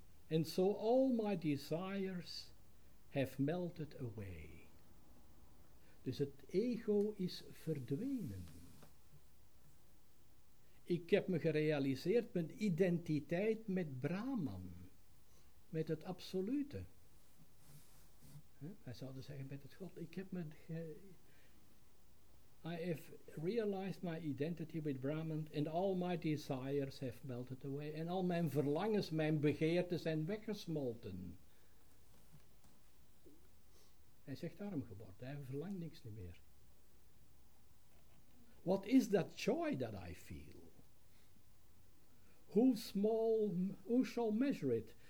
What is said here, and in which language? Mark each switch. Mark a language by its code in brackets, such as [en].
[en] And so all my desires have melted away." [nl] Dus het ego is verdwenen. Ik heb me gerealiseerd mijn identiteit met Brahman. Met het absolute. Wij zouden zeggen met het God. Ik heb me [en] I have realized my identity with Brahman and all my desires have melted away. [nl] En al mijn verlangens, mijn begeerten zijn weggesmolten. Hij zegt arm geworden, hij verlangt niks meer. [en] What is that joy that I feel? Who shall measure it?